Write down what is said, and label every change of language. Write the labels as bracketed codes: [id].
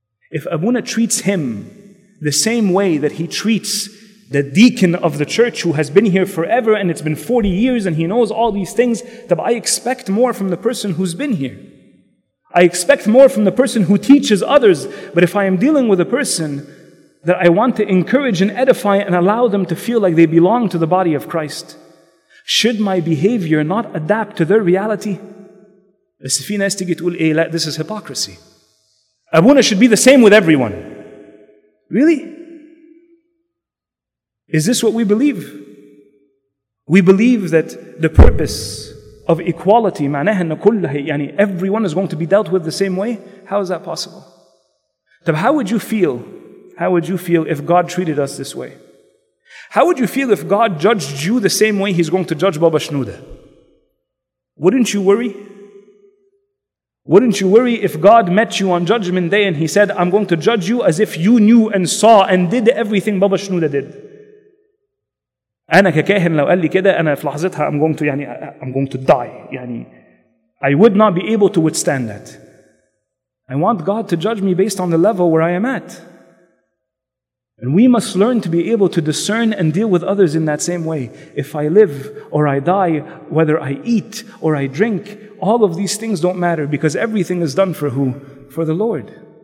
[en] If Abuna treats him the same way that he treats the deacon of the church who has been here forever and it's been 40 years and he knows all these things, that I expect more from the person who's been here. I expect more from the person who teaches others. But if I am dealing with a person that I want to encourage and edify and allow them to feel like they belong to the body of Christ, should my behavior not adapt to their reality? [ar] بس في ناس تيجي تقول إيه لا, [en] this is hypocrisy. أبونا should be the same with everyone. Really? Is this what we believe? We believe that the purpose of equality, [ar] معناها أن كلها, [en] يعني everyone is going to be dealt with the same way? How is that possible? طب how would you feel? How would you feel if God treated us this way? How would you feel if God judged you the same way He's going to judge Baba Shnuda? Wouldn't you worry? Wouldn't you worry if God met you on Judgment Day and He said, I'm going to judge you as if you knew and saw and did everything Baba Shnuda did? [ar] أنا ككاهن لو قال لي كده أنا في لحظتها [en] I'm going to die. يعني I would not be able to withstand that. I want God to judge me based on the level where I am at. And we must learn to be able to discern and deal with others in that same way. If I live or I die, whether I eat or I drink, all of these things don't matter because everything is done for who? For the Lord.